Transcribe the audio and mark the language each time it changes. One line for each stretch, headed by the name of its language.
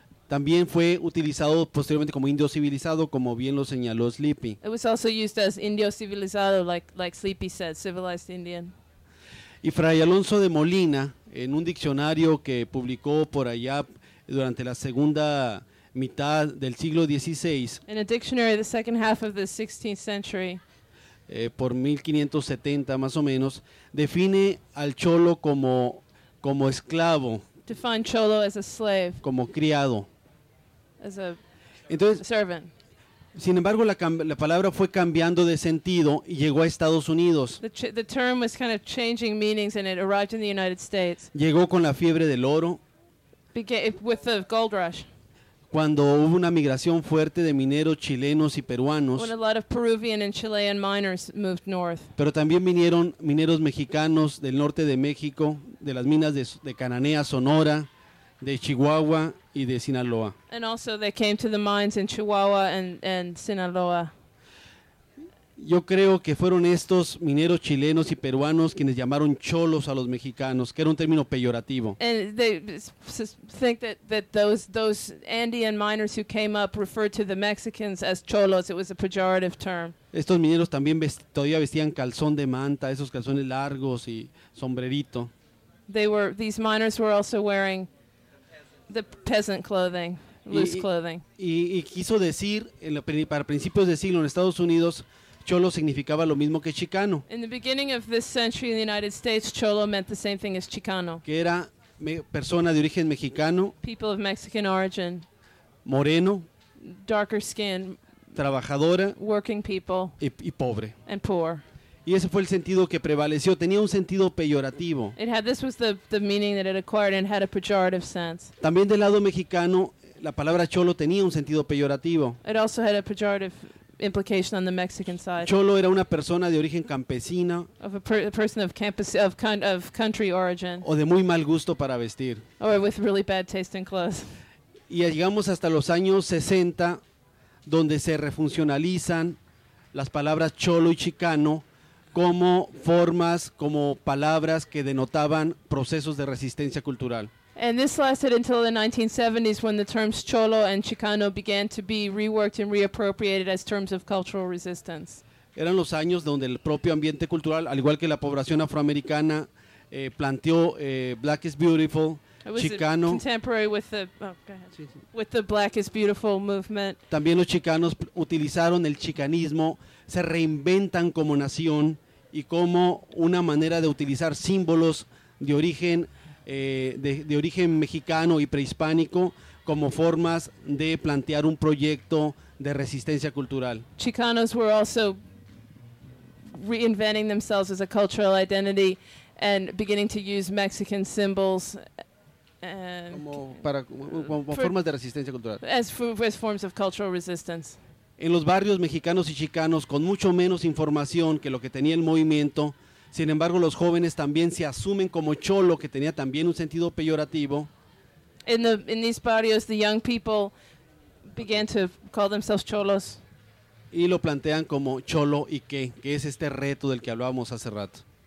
Spanish: También fue utilizado posteriormente como indio civilizado, como bien lo señaló Sleepy.
English: It was also used as
Spanish: indio civilizado,
English: like Sleepy said, civilized Indian.
Spanish: Y Fray Alonso de Molina, en un diccionario que publicó por allá durante la segunda mitad del siglo XVI.
English: In a dictionary the second half of the 16th century.
Spanish: Por 1570 más o menos, define al cholo como esclavo.
English: Define cholo as a slave.
Spanish: Como criado.
English: As a
Spanish: Entonces,
English: servant.
Spanish: Sin embargo, la palabra fue cambiando de sentido y llegó a Estados Unidos.
English: The term was kind of changing meanings and it arrived in the United States.
Spanish: Llegó con la fiebre del oro.
English: With the gold rush.
Spanish: Cuando hubo una migración fuerte de mineros chilenos y peruanos.
English: When a lot of Peruvian and Chilean miners moved north.
Spanish: Pero también vinieron mineros mexicanos del norte de México, de las minas de Cananea, Sonora, de Chihuahua y de Sinaloa.
English: And also they came to the mines in Chihuahua and Sinaloa.
Spanish: Yo creo que fueron estos mineros chilenos y peruanos quienes llamaron cholos a los mexicanos, que era un término peyorativo.
English: And they think that those Andean miners who came up referred to the Mexicans as cholos. It was a pejorative term.
Spanish: Estos mineros también todavía vestían calzón de manta, esos calzones largos y sombrerito.
English: These miners were also wearing the peasant clothing, loose clothing.
Spanish: Y quiso decir, para principios de siglo en Estados Unidos, cholo significaba lo mismo que chicano.
English: In the beginning of this century in the United States, cholo meant the same thing as chicano.
Spanish: Que era persona de origen mexicano.
English: People of Mexican origin.
Spanish: Moreno.
English: Darker skin.
Spanish: Trabajadora.
English: Working people.
Spanish: Y pobre.
English: And poor.
Spanish: Y ese fue el sentido que prevaleció. Tenía un sentido peyorativo.
English: This was the meaning that it acquired and had a pejorative sense.
Spanish: También del lado mexicano, la palabra cholo tenía un sentido peyorativo.
English: It also had a pejorative implication on the Mexican side.
Spanish: Cholo era una persona de origen campesina.
English: Of a person of of country origin.
Spanish: O de muy mal gusto para vestir.
English: Or with really bad taste in clothes.
Spanish: Y llegamos hasta los años 60, donde se refuncionalizan las palabras cholo y chicano como formas, como palabras que denotaban procesos de resistencia cultural.
English: And this lasted until the 1970s when the terms Cholo and Chicano began to be reworked and reappropriated as terms of cultural resistance.
Spanish: Eran los años donde el propio ambiente cultural, al igual que la población afroamericana, planteó
English: Black is Beautiful,
Spanish: Chicano.
English: Contemporary with the, go ahead. With the Black is Beautiful movement.
Spanish: También los chicanos utilizaron el chicanismo, se reinventan como nación y como una manera de utilizar símbolos de origen de origen mexicano y prehispánico como formas de plantear un proyecto de resistencia cultural.
English: Chicanos were also reinventing themselves as a cultural identity and beginning to use Mexican symbols
Spanish: como formas de resistencia cultural.
English: As forms of cultural resistance.
Spanish: En los barrios mexicanos y chicanos, con mucho menos información que lo que tenía el movimiento, sin embargo, los jóvenes también se asumen como cholo, que tenía también un sentido peyorativo.
English: In these barrios, the young people began to call themselves cholos.
Spanish: Y lo plantean como cholo y qué, que es este reto del que hablábamos hace rato.